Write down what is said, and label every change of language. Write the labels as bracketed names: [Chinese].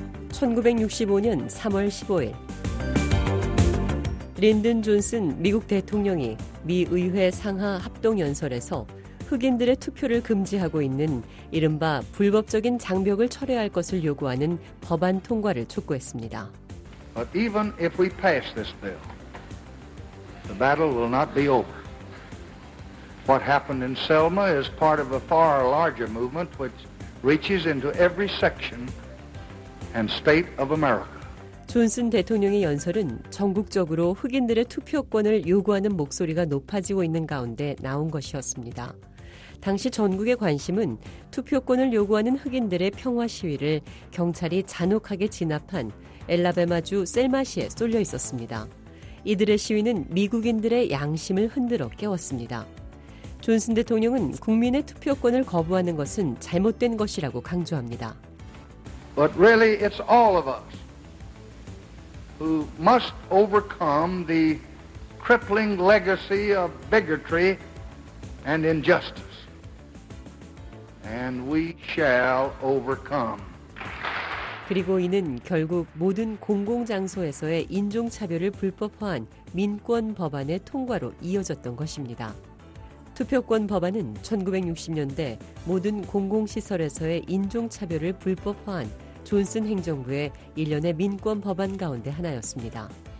[Korean] 1965년 3월 15일 린든 존슨 미국 대통령이 미 의회 상하 합동연설에서 흑인들의 투표를 금지하고 있는 이른바 불법적인 장벽을 철회할 것을 요구하는 법안 통과를 촉구했습니다. [English] But even if we pass this bill, the battle will not be over. What happened in Selma is part of a far larger movement which reaches into every section and state of America. [Korean] 존슨 대통령의 연설은 전국적으로 흑인들의 투표권을 요구하는 목소리가 높아지고 있는 가운데 나온 것이었습니다. 당시 전국의 관심은 투표권을 요구하는 흑인들의 평화 시위를 경찰이 잔혹하게 진압한 엘라베마주 셀마시에 쏠려 있었습니다. 이들의 시위는 미국인들의 양심을 흔들어 깨웠습니다. 존슨 대통령은 국민의 투표권을 거부하는 것은 잘못된 것이라고 강조합니다. [English] But really it's all of us. Who must overcome the crippling legacy of bigotry and injustice. And we shall overcome. [Korean] 그리고 이는 결국 모든 공공장소에서의 인종차별을 불법화한 민권 법안의 통과로 이어졌던 것입니다. 투표권 법안은 1960년대 모든 공공시설에서의 인종차별을 불법화한 존슨 행정부의 일련의 민권 법안 가운데 하나였습니다.